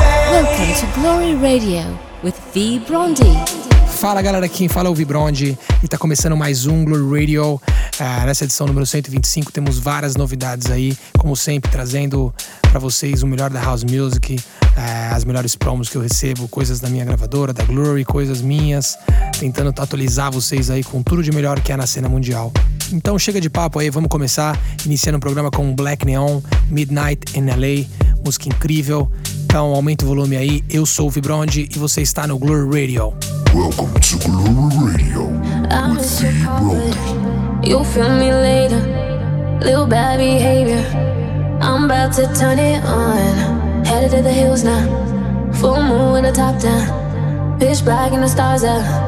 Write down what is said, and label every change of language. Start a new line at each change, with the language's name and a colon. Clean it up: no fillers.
English: Welcome to Glory Radio with V. Brondi.
Portuguese: Fala galera, quem fala é o V. Brondi e tá começando mais um Glory Radio. Nessa edição número 125 temos várias novidades aí, como sempre, trazendo para vocês o melhor da House Music, as melhores promos que eu recebo, coisas da minha gravadora, da Glory, coisas minhas, tentando atualizar vocês aí com tudo de melhor que há na cena mundial. Então chega de papo aí, vamos começar, iniciando o programa com Black Neon, Midnight in LA, música incrível. Então aumenta o volume aí, eu sou o V. Brondi e você está no Glory Radio.
English: Welcome to Glory Radio with V. Brondi. You'll feel me later. Little bad behavior. I'm about to turn it on. Headed to the hills now. Full moon with the top down. Pitch black and the stars out.